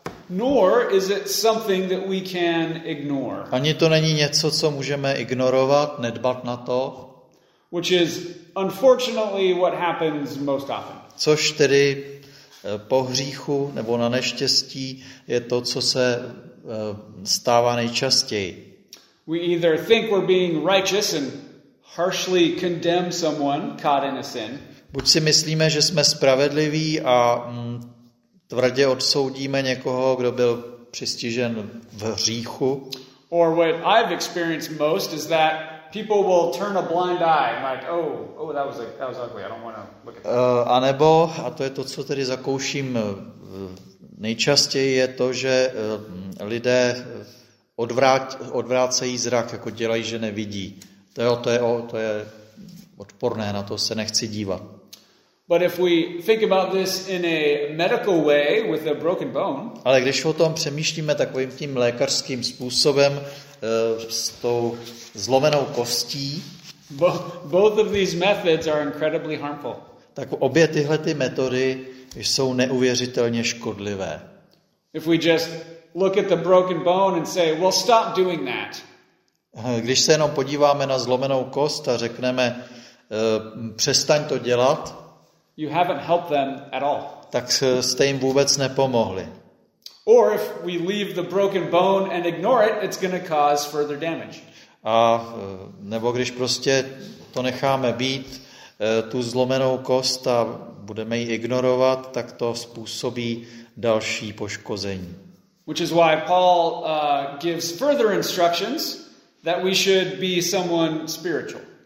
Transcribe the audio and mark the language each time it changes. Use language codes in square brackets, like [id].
[en] Nor is it something that we can ignore. [cs] Ani to není něco, co můžeme ignorovat, nedbat na to. [en] Which is unfortunately what happens most often. [cs] Což tedy po hříchu nebo na neštěstí je to, co se stává nejčastěji. [en] We either think we're being righteous and harshly condemn someone caught in a sin. [cs] Buď si myslíme, že jsme spravedliví a tvrdě odsoudíme někoho, kdo byl přistižen v hříchu. [en] Or what I've experienced most is that people will turn a blind eye, like, that was ugly. I don't want to look at that. [cs] Anebo, a to je to, co tedy zakouším nejčastěji, je to, že lidé odvrácejí zrak, jako dělají, že nevidí. To je odporné, na to se nechci dívat. [en] But if we think about this in a medical way with a broken bone. [cs] Ale když o tom přemýšlíme takovým tím lékařským způsobem s tou zlomenou kostí. [en] Both of these methods are incredibly harmful. [cs] Tak obě tyhle ty metody jsou neuvěřitelně škodlivé. [en] If we just look at the broken bone and say, "Well, stop doing that." [cs] Když se jenom podíváme na zlomenou kost a řekneme, přestaň to dělat. [en] You haven't helped them at all. [cs] Tak jste jim vůbec nepomohli. [en] Or if we leave the broken bone and ignore it, it's going to cause further damage. [cs] A nebo když prostě to necháme být, tu zlomenou kost a budeme ji ignorovat, tak to způsobí další poškození. [en] Which is why Paul gives further instructions that we should be someone spiritual.